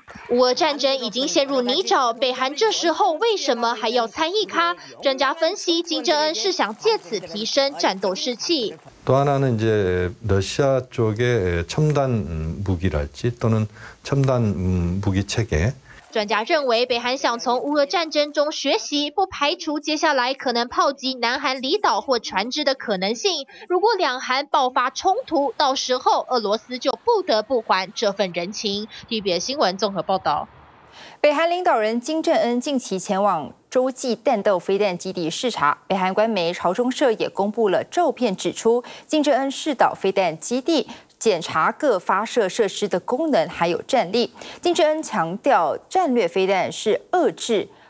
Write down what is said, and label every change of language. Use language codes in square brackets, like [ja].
[zh] 乌俄战争已经陷入泥沼，北韩这时候为什么还要参一咖？专家分析，金正恩是想借此提升战斗士气。 [ko] 또하나는이제러시아쪽의첨단무기랄지또는첨단무기체계。 [zh] 专家认为，北韩想从乌俄战争中学习，不排除接下来可能炮击南韩离岛或船只的可能性。如果两韩爆发冲突，到时候俄罗斯就不得不还这份人情。 TVB 新闻综合报道。北韩领导人金正恩近期前往洲际弹道飞弹基地视察，北韩官媒朝中社也公布了照片，指出金正恩视导飞弹基地，检查各发射设施的功能还有战力。金正恩强调，战略飞弹是遏制